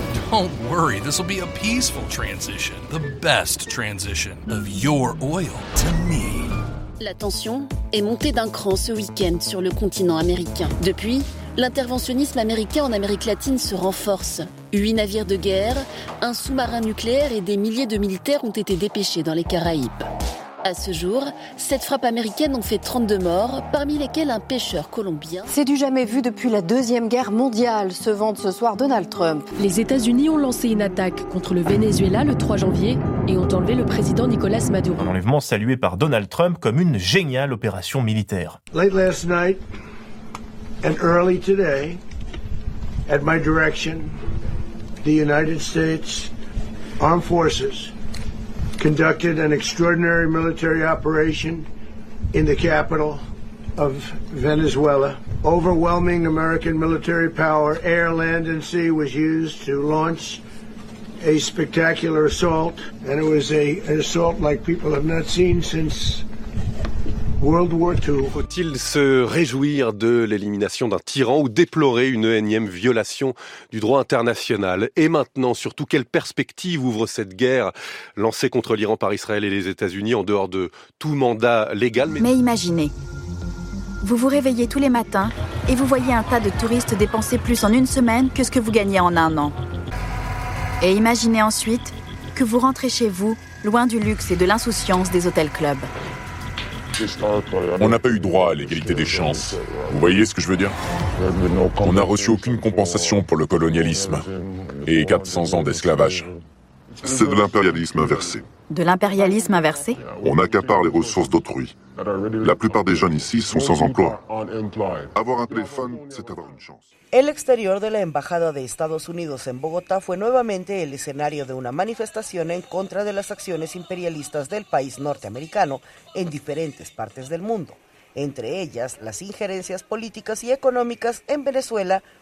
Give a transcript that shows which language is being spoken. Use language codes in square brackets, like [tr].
[en] Don't worry, this will be a peaceful transition. The best transition of your oil to me. [fr] La tension est montée d'un cran ce week-end sur le continent américain. Depuis, l'interventionnisme américain en Amérique latine se renforce. 8 navires de guerre, un sous-marin nucléaire et des milliers de militaires ont été dépêchés dans les Caraïbes. À ce jour, 7 frappes américaines ont fait 32 morts, parmi lesquelles un pêcheur colombien. C'est du jamais vu depuis la Deuxième Guerre mondiale, se vante ce soir Donald Trump. Les États-Unis ont lancé une attaque contre le Venezuela le 3 janvier et ont enlevé le président Nicolas Maduro. Un enlèvement salué par Donald Trump comme une géniale opération militaire. [en] Late last night and early today, at my direction, the United States Armed Forces conducted an extraordinary military operation in the capital of Venezuela. Overwhelming American military power, air, land, and sea was used to launch a spectacular assault. And it was an assault like people have not seen since World War II. [fr] Faut-il se réjouir de l'élimination d'un tyran ou déplorer une énième violation du droit international? Et maintenant, surtout, quelle perspective ouvre cette guerre lancée contre l'Iran par Israël et les États-Unis en dehors de tout mandat légal? Mais imaginez, vous vous réveillez tous les matins et vous voyez un tas de touristes dépenser plus en une semaine que ce que vous gagnez en un an. Et imaginez ensuite que vous rentrez chez vous, loin du luxe et de l'insouciance des hôtels clubs. On n'a pas eu droit à l'égalité des chances. Vous voyez ce que je veux dire ? On n'a reçu aucune compensation pour le colonialisme et 400 ans d'esclavage. C'est de l'impérialisme inversé. De l'impérialisme inversé ? On accapare les ressources d'autrui. La plupart des jeunes ici sont sans emploi. Avoir un téléphone, c'est avoir une chance. [es] El exterior de la embajada de Estados Unidos en Bogotá fue nuevamente el escenario de una manifestación en contra de las acciones imperialistas del país norteamericano en diferentes partes del mundo, entre ellas las injerencias políticas y económicas en Venezuela,